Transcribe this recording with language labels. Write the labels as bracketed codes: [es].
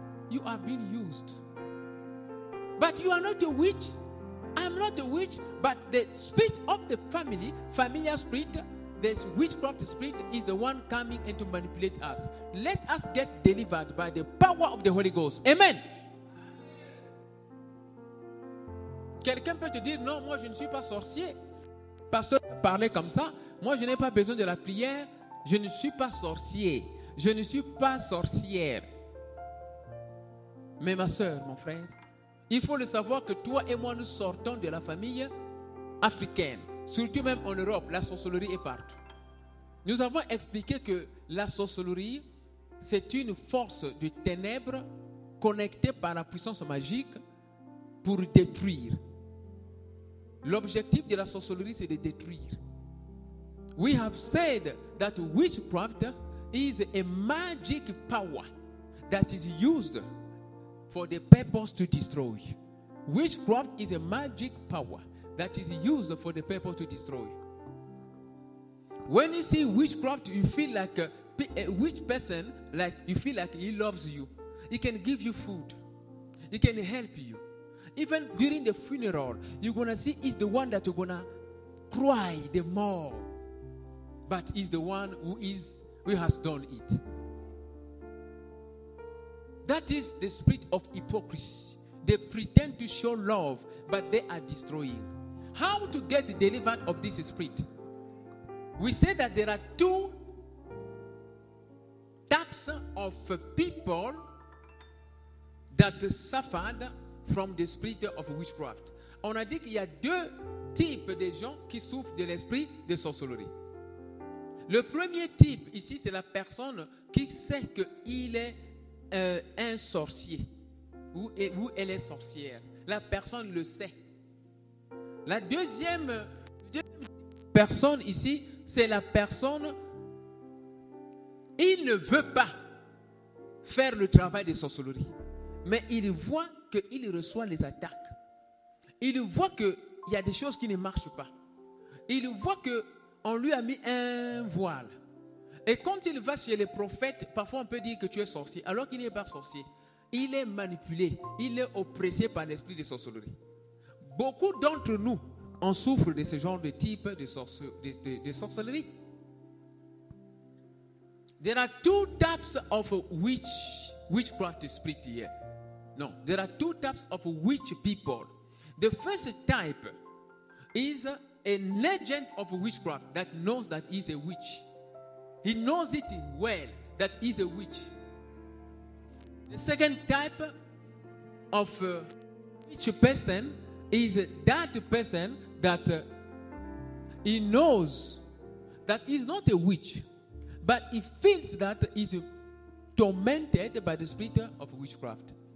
[en] You are being used. But you are not a witch. I'm not a witch. But the spirit of the family, familiar spirit, this witchcraft spirit is the one coming and to manipulate us. Let us get delivered by the power of the Holy Ghost. Amen. [fr] Quelqu'un peut te dire, non, moi je ne suis pas sorcier. Pasteur parlait comme ça. Moi je n'ai pas besoin de la prière. Je ne suis pas sorcier. Je ne suis pas sorcière. Mais ma soeur, mon frère, il faut le savoir que toi et moi nous sortons de la famille africaine. Surtout même en Europe, la sorcellerie est partout. Nous avons expliqué que la sorcellerie, c'est une force de ténèbres connectée par la puissance magique pour détruire. L'objectif de la sorcellerie, c'est de détruire. [en] We have said that witchcraft is a magic power that is used for the purpose to destroy. Witchcraft is a magic power that is used for the purpose to destroy. When you see witchcraft, you feel like a witch person, like you feel like he loves you. He can give you food. He can help you. Even during the funeral, you're going to see he's the one that you're going to cry the more. But he's the one who has done it. That is the spirit of hypocrisy. They pretend to show love, but they are destroying. How to get delivered of this spirit? We say that there are two types of people that suffered from the spirit of witchcraft. [fr] On a dit qu'il y a deux types de gens qui souffrent de l'esprit de sorcellerie. Le premier type ici, c'est la personne qui sait qu'il est un sorcier ou elle est sorcière. La personne le sait. La deuxième personne ici, c'est la personne, il ne veut pas faire le travail de sorcellerie, mais il voit qu'il reçoit les attaques. il voit que il y a des choses qui ne marchent pas. Il voit que on lui a mis un voile. Et quand il va chez les prophètes, parfois on peut dire que tu es sorcier, alors qu'il n'est pas sorcier. Il est manipulé, il est oppressé par l'esprit de sorcellerie. Beaucoup d'entre nous, on souffre de ce genre de type de sorcellerie. [en] There are two types of witchcraft spirit here. No, there are two types of witch people. The first type is an agent of witchcraft that knows that he's a witch. He knows it well that he's a witch. The second type of witch person is that person that he knows that he's not a witch, but he feels that he's tormented by the spirit of witchcraft.